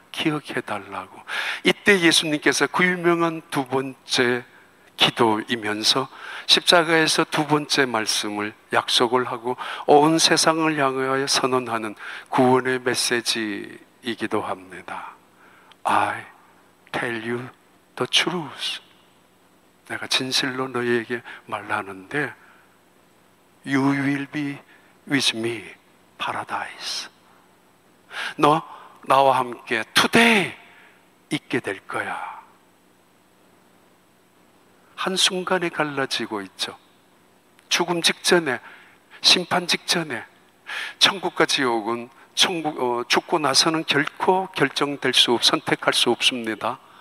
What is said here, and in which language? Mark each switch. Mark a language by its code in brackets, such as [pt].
[ko] 기억해달라고. 이때 예수님께서 그 유명한 두 번째 기도이면서 십자가에서 두 번째 말씀을 약속을 하고 온 세상을 향하여 선언하는 구원의 메시지이기도 합니다. [en] I tell you the truth. [ko] 내가 진실로 너희에게 말하는데 [en] You will be with me, paradise. [ko] 너 나와 함께 today 있게 될 거야. 한순간에 갈라지고 있죠. 죽음 직전에, 심판 직전에 천국과 지옥은 죽고 나서는 결코 결정될 수 없, 선택할 수 없습니다.